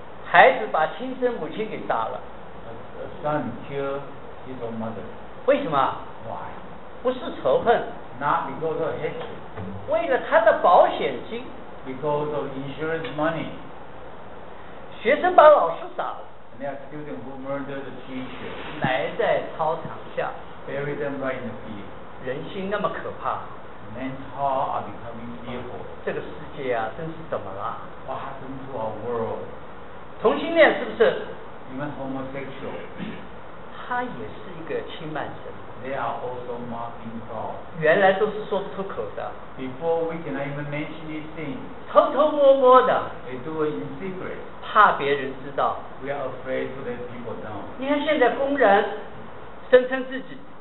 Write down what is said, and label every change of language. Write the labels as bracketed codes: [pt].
[zh] 孩子把亲生母亲给杀了。 [en] A son killed his own mother. [zh] 为什么？ [en] Why? [zh] 不是仇恨。 [en] Not because of hatred. [zh] 为了他的保险金。 [en] Because of insurance money. [zh] 学生把老师杀了。 [en] And there are students who murdered the teacher. [zh] 埋在操场下。 [en] Buried them right in the field. [zh] 人心那么可怕。 [en] Men's hearts are becoming fearful. [zh] 这个世界啊，真是怎么了？ [en] What happened to our world? [zh] 同性恋是不是？ [en] Even homosexual. [zh] 他也是一个轻慢神。 [en] They are also mocking God. [zh] 原来都是说不出口的。 [en] Before we can even mention these things. [zh] 偷偷摸摸的。 [en] They do it in secret. [zh] 怕别人知道。 [en] We are afraid to let people know. [zh] 你看现在工人声称自己。